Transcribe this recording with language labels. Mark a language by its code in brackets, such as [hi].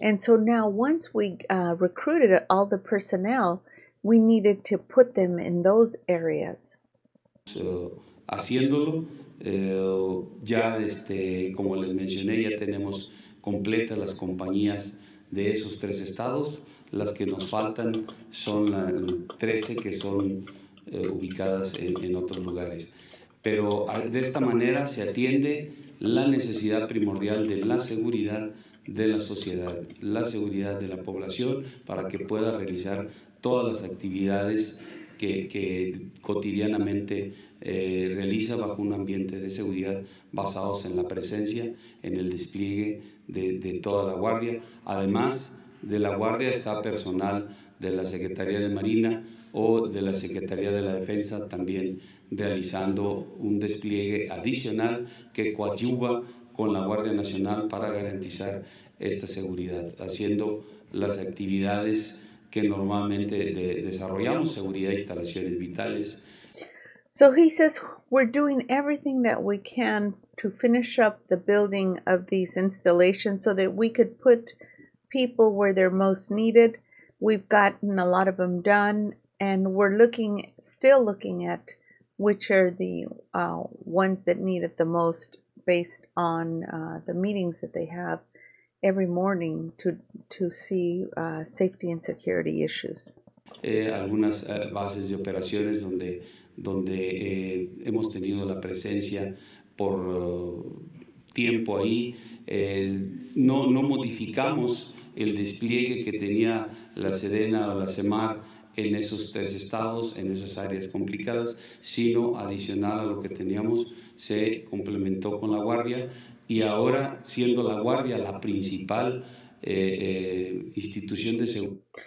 [en] And so now once we recruited all the personnel, we needed to put them in those areas. [es] So, haciéndolo, ya como les mencioné, ya tenemos completas las compañías de esos tres estados. Las que nos faltan son las 13 que son ubicadas en otros lugares. Pero de esta manera se atiende la necesidad primordial de la seguridad de la sociedad, la seguridad de la población para que pueda realizar todas las actividades que cotidianamente realiza bajo un ambiente de seguridad basados en la presencia, en el despliegue de toda la Guardia. Además de la Guardia está personal de la Secretaría de Marina o de la Secretaría de la Defensa también realizando un despliegue adicional que coadyuva con la Guardia Nacional para garantizar esta seguridad, haciendo las actividades que normalmente desarrollamos, seguridad, instalaciones vitales. [en] So he says we're doing everything that we can to finish up the building of these installations so that we could put people where they're most needed. We've gotten a lot of them done and we're still looking at which are the ones that need it the most based on the meetings that they have every morning to see safety and security issues. [es] Algunas bases de operaciones donde hemos tenido la presencia por tiempo ahí, no modificamos el despliegue que tenía la Sedena o la SEMAR en esos tres estados, en esas áreas complicadas, sino adicional a lo que teníamos, se complementó con la Guardia y ahora siendo la Guardia la principal institución de seguridad.